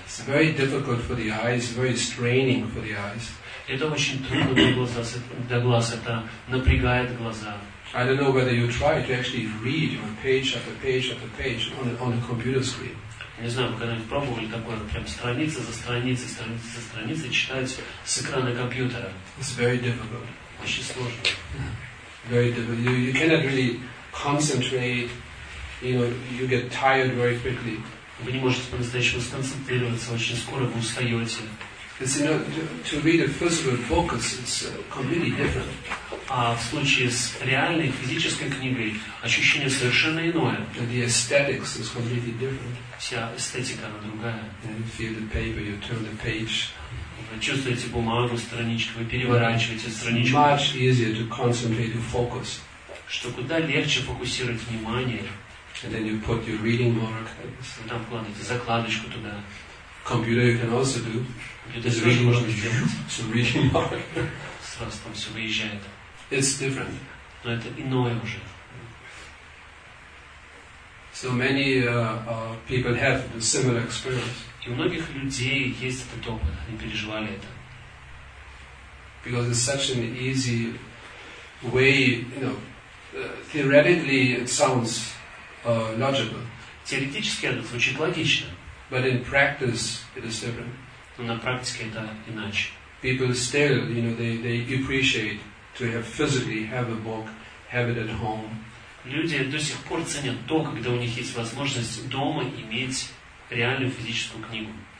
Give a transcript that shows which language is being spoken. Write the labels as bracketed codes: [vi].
[en] It's very difficult for the eyes, very straining for the eyes. [ru] Это очень трудно для глаз, это напрягает глаза. [en] I don't know whether you try to actually read your page after page after page on the computer screen. [ru] Не знаю, вы когда-нибудь пробовали такое, прям страница за страницей читать с экрана компьютера. [en] It's very difficult. [ru] Очень сложно. [en] very difficult. You cannot really concentrate. You know, you get tired very quickly. [ru] Вы не можете по-настоящему сконцентрироваться, очень скоро вы устаете. [en] Because you know, to read a physical book is completely different. [ru] А в случае с реальной физической книгой ощущение совершенно иное. [en] The aesthetics is completely different. [ru] Вся эстетика она другая. [en] You feel the paper, you turn the page. [ru] Вы чувствуете бумагу, страничку, вы переворачиваете страничку. [en] Much easier to concentrate and focus. [ru] Что куда легче фокусировать внимание. [en] And then you put your reading mark. [ru] Вы там вкладываете закладочку туда. [en] Computer you can also do. [ru] Это тоже можно сделать. [en] Some reading mark. [ru] Сразу там все выезжает. [en] It's different. [ru] Но это иное уже. [en] So many people have a similar experience. [ru] И у многих людей есть этот опыт, они переживали это. [en] Because it's such an easy way, you know, theoretically it sounds logical. [ru] Теоретически это звучит логично. [en] But in practice it is different. [ru] Но на практике это иначе. [en] People still, you know, they appreciate to have physically have a book, have it at home. [ru] Люди до сих пор ценят то, когда у них есть возможность дома иметь реальную физическую книгу.